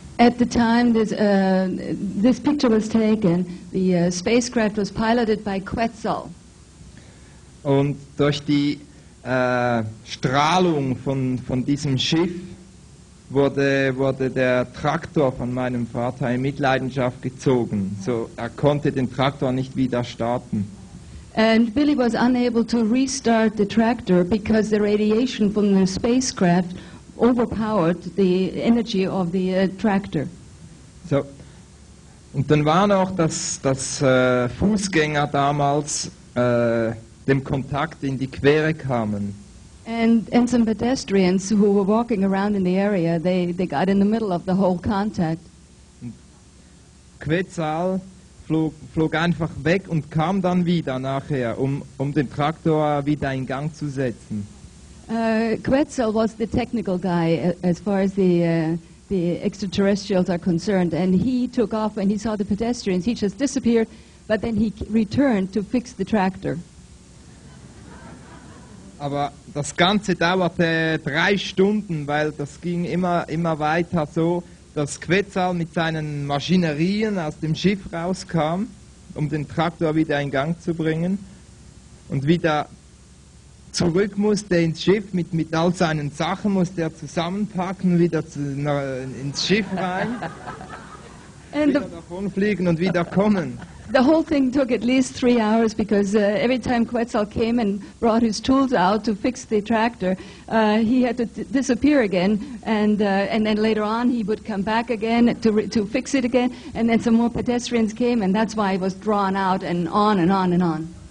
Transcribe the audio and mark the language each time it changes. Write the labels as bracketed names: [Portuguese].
[English] At the time this picture was taken, the spacecraft was piloted by Quetzal. [German] Und durch die Strahlung von diesem Schiff wurde der Traktor von meinem Vater in Mitleidenschaft gezogen. So er konnte den Traktor nicht wieder starten. [English] And Billy was unable to restart the tractor because the radiation from the spacecraft overpowered the energy of the tractor. [German] So, und dann war noch, dass das Fußgänger damals dem Kontakt in die Quere kamen. [English] And some pedestrians who were walking around in the area, they got in the middle of the whole contact. [German] Quetzal flog einfach weg und kam dann wieder nachher, um den Traktor wieder in Gang zu setzen. [English] Quetzal was the technical guy as far as the extraterrestrials are concerned, and he took off when he saw the pedestrians. He just disappeared, but then he returned to fix the tractor. [German] Aber das Ganze dauerte 3 Stunden, weil das ging immer weiter so, dass Quetzal mit seinen Maschinerien aus dem Schiff rauskam, um den Traktor wieder in Gang zu bringen und wieder zurück musste ins Schiff mit all seinen Sachen, musste er zusammenpacken, wieder ins Schiff rein, and wieder davonfliegen und wieder kommen. [English] The whole thing took at least 3 hours because every time Quetzal came and brought his tools out to fix the tractor, he had to disappear again, and then later on he would come back again to fix it again, and then some more pedestrians came, and that's why it was drawn out and on and on and on.